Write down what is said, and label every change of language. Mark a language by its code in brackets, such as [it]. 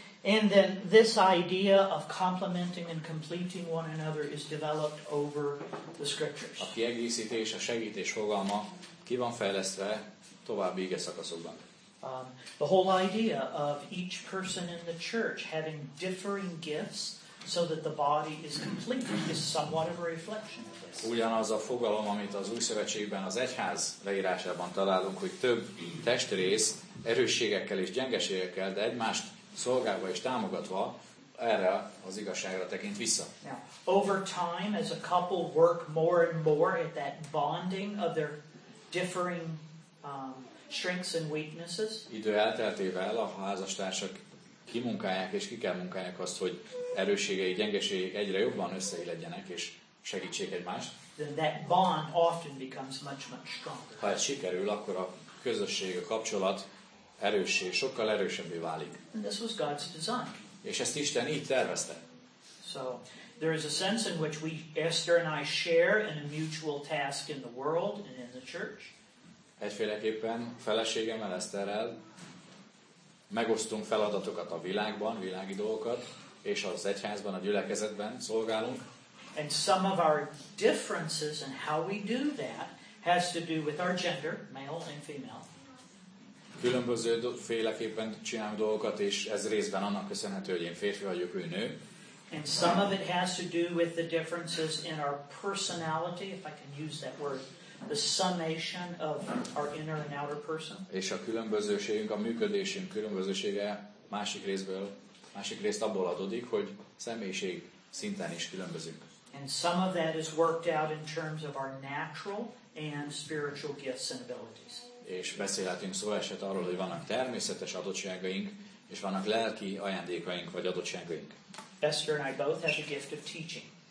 [en] And then this idea of complementing and completing one another is developed over the scriptures. [hu] A kiegészítés, a segítés fogalma ki van fejlesztve további ige szakaszokban. [en] The whole idea of each person in the church having differing gifts so that the body is complete is somewhat of a reflection of this. [hu] Ugyanaz a fogalom, amit az Új Szövetségben, az egyház leírásában találunk, hogy több testrész erősségekkel és gyengeségekkel, de egymást szolgálva és támogatva erre az igazságra tekint vissza. [en] Now, over time, as a couple work more and more at that bonding of their differing strengths and weaknesses. [hu] Idő elteltével a házastársak kimunkálják és ki kell munkálják azt, hogy erősségei, gyengeségei egyre jobban összeilledjenek és segítsék egymást. [en] Then that bond often becomes much, much stronger. [hu] Ha ez sikerül, akkor a közösség, a kapcsolat erőssé, sokkal erősebbé válik. [en] And this was God's design. [hu] És ezt Isten így tervezte. [en] So, there is a sense in which we, Esther and I, share in a mutual task in the world and in the church. [hu] Egyféleképpen feleségemmel, Eszterrel megosztunk feladatokat a világban, világi dolgokat, és az egyházban, a gyülekezetben szolgálunk. [en] And some of our differences in how we do that has to do with our gender, male and female. [hu] Különböző féleképpen csinálunk dolgokat, és ez részben annak köszönhető, hogy én férfi vagyok, ő nő. [en] And some of it has to do with the differences in our personality, if I can use that word. The summation of our inner and outer person. [hu] És a különbözőségünk, a működésünk különbözősége másik részből, másik részt abból adódik, hogy személyiség szinten is különbözünk. [en] And some of that is worked out in terms of our natural and spiritual gifts and abilities. [hu] És beszélhetünk szó esett arról, hogy vannak természetes adottságaink, és vannak lelki ajándékaink vagy adottságaink. [en] Esther and I both have the gift of teaching.